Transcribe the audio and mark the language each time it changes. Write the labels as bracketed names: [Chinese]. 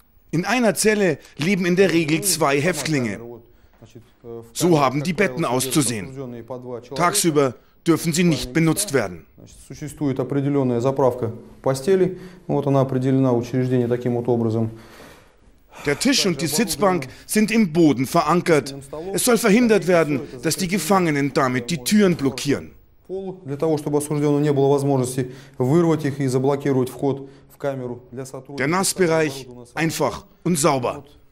[German] In einer Zelle leben in der Regel zwei Häftlinge. So haben die Betten auszusehen. Tagsüber dürfen sie nicht benutzt werden. [Russian] Существует определенная заправка постелей. Вот она определена учреждение таким вот образом. [German] Der Tisch und die Sitzbank sind im Boden verankert. Es soll verhindert werden, dass die Gefangenen damit die Türen blockieren. [Russian] Для того, чтобы осужденному не было возможности вырвать их и заблокировать вход в камеру для сотрудников. [German] Der Nassbereich einfach und sauber.